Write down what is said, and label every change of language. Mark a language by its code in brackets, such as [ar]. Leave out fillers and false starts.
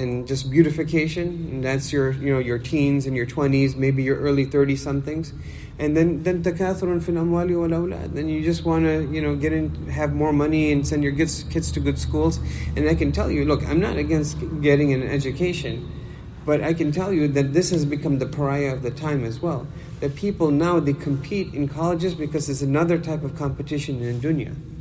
[en] And just beautification. And that's your, you know, your teens and your 20s, maybe your early 30-somethings. And then [ar] تَكَاثُرٌ فِي الْأَمْوَالِ وَالْأَوْلَادِ. [en] Then you just want to, you know, get in, have more money and send your kids to good schools. And I can tell you, look, I'm not against getting an education, but I can tell you that this has become the pariah of the time as well. That people now, they compete in colleges because it's another type of competition in dunya.